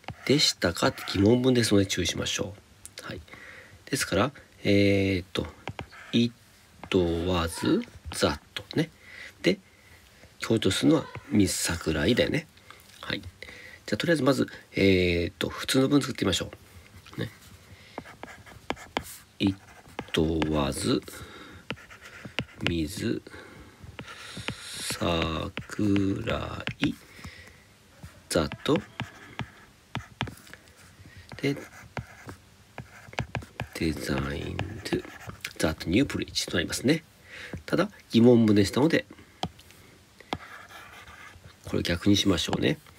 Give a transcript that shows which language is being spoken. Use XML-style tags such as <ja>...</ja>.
<ja>でしたかって疑問文ですので注意しましょう。はい、ですから、</ja> <en>It was that</en> <ja>ね。で、強調するのは Miss Sakurai だよね。はい。じゃあとりあえずまず、普通の文作ってみましょう。</ja> <en>ね、It was Miss Sakurai that で、designed that new bridge</en> <ja>となりますね。ただ疑問文でしたので、これ逆にしましょうね。</ja>